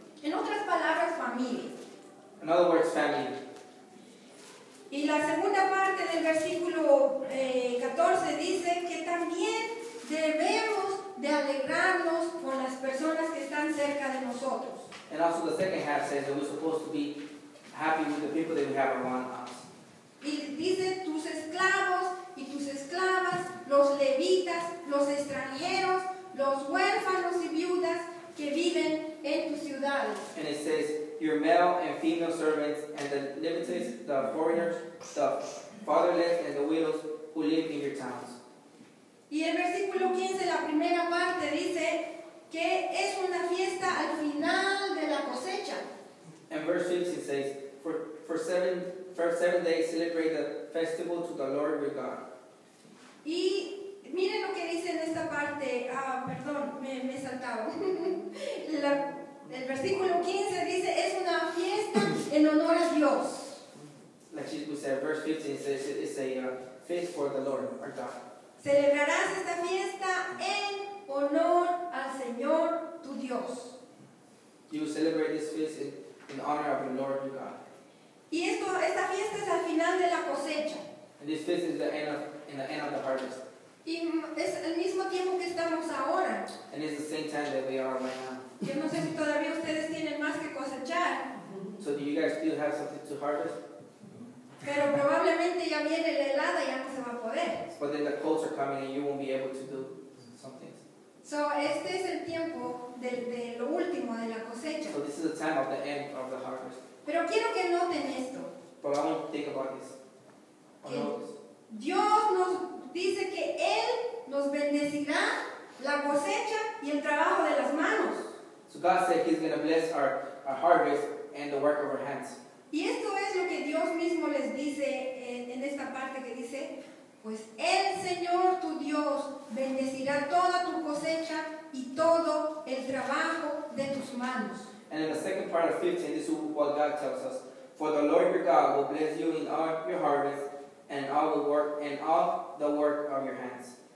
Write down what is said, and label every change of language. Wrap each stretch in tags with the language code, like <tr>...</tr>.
<es>En otras palabras, familia.</es> <en>In other words, family.</en> <es>Y la segunda parte del versículo 14 dice que también debemos de alegrarnos con las personas que están cerca de nosotros.</es> <en>And also the second half says that we're supposed to be happy with the people that we have around us.</en> <es>Y dice tus esclavos y tus esclavas, los levitas, los extranjeros, los huérfanos y viudas que viven en tus ciudades.</es> <en>And it says your male and female servants and the levites, the foreigners, the fatherless and the widows who live in your towns.</en> <es>Y el versículo 15, la primera parte, dice que es una fiesta al final de la cosecha.</es> <en>And verse 15 says, for seven days celebrate the festival to the Lord your God.</en> <es>Y miren lo que dice en esta parte, me he saltado. El versículo 15 dice, es una fiesta en honor a Dios.</es> <en>Like we said, verse 15 says, it's a feast for the Lord our God.</en> <es>Celebrarás esta fiesta en honor al Señor tu Dios.</es> <en>You celebrate this feast in honor of the Lord your God.</en> <es>Y esta fiesta es al final de la cosecha.</es> <en>And this feast is the end of the harvest.</en> <es>Y es el mismo tiempo que estamos ahora.</es> <en>And it's the same time that we are right now.</en> <es>Yo no sé si todavía ustedes tienen más que cosechar.</es> <en>So do you guys still have something to harvest?</en> <es>Pero probablemente ya viene la helada y ya no se va a poder.</es> <en>But then the colds are coming and you won't be able to do some things.</en> <es>So este es el tiempo de lo último, de la cosecha.</es> <en>So this is the time of the end of the harvest.</en> <es>Pero quiero que noten esto.</es> <en>But I want to think about this.</en> <es>Dios nos dice que Él nos bendecirá la cosecha y el trabajo de las manos.</es> <en>So God said He's going to bless our harvest and the work of our hands.</en> <es>Y esto es lo que Dios mismo les dice en esta parte que dice, pues el Señor tu Dios bendecirá toda tu cosecha y todo el trabajo de tus manos.</es> <en>And in the second part of 15, this is what God tells us. For the Lord your God will bless you in all your harvest and all the work of your hands.</en>